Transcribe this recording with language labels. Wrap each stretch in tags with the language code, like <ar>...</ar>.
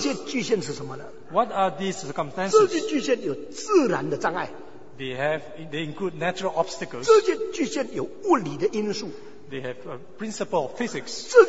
<zh>这些局限是什么呢？</zh> <en>What are these circumstances?</en> <zh>这些局限有自然的障碍。</zh> <en>They include natural obstacles.</en> <zh>这些局限有物理的因素。</zh> <en>They have a principle of physics.</en>